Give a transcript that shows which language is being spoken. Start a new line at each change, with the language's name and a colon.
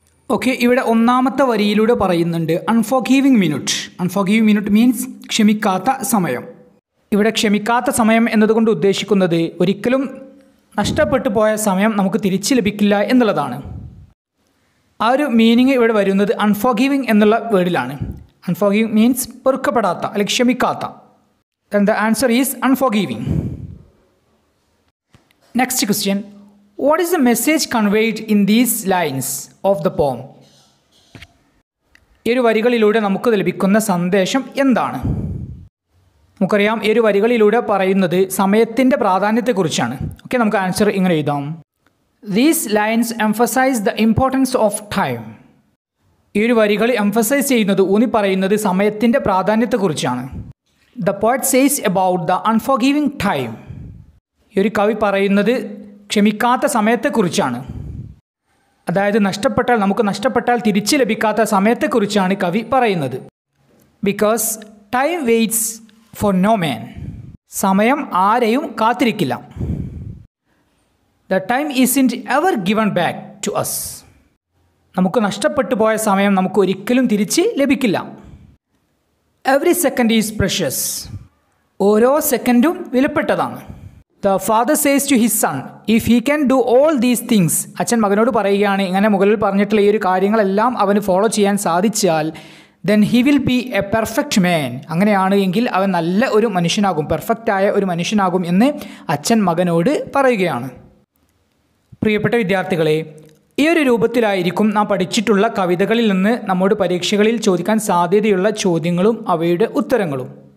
Malayalam: Okay ഇവിടെ ഒന്നാമത്തെ വരിയിലൂടെ പറയുന്നുണ്ട് അൺഫോർഗീവിംഗ് മിനിറ്റ് അൺഫോർഗീവിംഗ് മിനിറ്റ് മീൻസ് ക്ഷമിക്കാത്ത സമയം ഇവിടെ ക്ഷമിക്കാത്ത സമയം എന്നതുകൊണ്ട് ഉദ്ദേശിക്കുന്നത് ഒരിക്കലും നഷ്ടപ്പെട്ടു പോയ സമയം നമുക്ക് തിരിച്ച് ലഭിക്കില്ല എന്നുള്ളതാണ് ആ ഒരു മീനിങ് ഇവിടെ വരുന്നത് അൺഫോർഗീവിംഗ് എന്നുള്ള വേർഡിലാണ് അൺഫോർഗീവിംഗ് മീൻസ് പൊറുക്കപ്പെടാത്ത അല്ലെങ്കിൽ ക്ഷമിക്കാത്ത
English: And the answer is unforgiving. Next question. What is the message conveyed in these lines of the poem?
Malayalam: ഈ ഒരു വരികളിലൂടെ നമുക്ക് ലഭിക്കുന്ന സന്ദേശം എന്താണ് നമുക്കറിയാം ഈ ഒരു വരികളിലൂടെ പറയുന്നത് സമയത്തിൻ്റെ പ്രാധാന്യത്തെക്കുറിച്ചാണ് ഓക്കെ നമുക്ക് ആൻസർ ഇങ്ങനെ എഴുതാം
English: These lines emphasize the importance of time.
Malayalam: ഈ ഒരു വരികൾ എംഫസൈസ് ചെയ്യുന്നത് ഊന്നി പറയുന്നത് സമയത്തിൻ്റെ പ്രാധാന്യത്തെക്കുറിച്ചാണ്
English: The poet says about the unforgiving time.
Malayalam: ഈ ഒരു കവി പറയുന്നത് ക്ഷമിക്കാത്ത സമയത്തെക്കുറിച്ചാണ് അതായത് നഷ്ടപ്പെട്ടാൽ നമുക്ക് നഷ്ടപ്പെട്ടാൽ തിരിച്ച് ലഭിക്കാത്ത സമയത്തെക്കുറിച്ചാണ് കവി പറയുന്നത്
English: because time waits for no man
Malayalam: സമയം ആരെയും കാത്തിരിക്കില്ല
English: the time isn't ever given back to us
Malayalam: നമുക്ക് നഷ്ടപ്പെട്ടു പോയ സമയം നമുക്ക് ഒരിക്കലും തിരിച്ച് ലഭിക്കില്ല
English: Every second is precious.
Malayalam: ഓരോ സെക്കൻഡും വിലപ്പെട്ടതാണ്
English: The father says to his son, if he can do all these things,
Malayalam: അച്ഛൻ മകനോട് പറയുകയാണ് ഇങ്ങനെ മുകളിൽ പറഞ്ഞിട്ടുള്ള ഈ ഒരു കാര്യങ്ങളെല്ലാം അവന് ഫോളോ ചെയ്യാൻ സാധിച്ചാൽ
English: then he will be a perfect man.
Malayalam: അങ്ങനെയാണ് എങ്കിൽ അവൻ നല്ല ഒരു മനുഷ്യനാകും പെർഫെക്റ്റായ ഒരു മനുഷ്യനാകും എന്ന് അച്ഛൻ മകനോട് പറയുകയാണ് പ്രിയപ്പെട്ട വിദ്യാർത്ഥികളെ ഈ ഒരു രൂപത്തിലായിരിക്കും നാം പഠിച്ചിട്ടുള്ള കവിതകളിൽ നിന്ന് നമ്മുടെ പരീക്ഷകളിൽ ചോദിക്കാൻ സാധ്യതയുള്ള ചോദ്യങ്ങളും അവയുടെ ഉത്തരങ്ങളും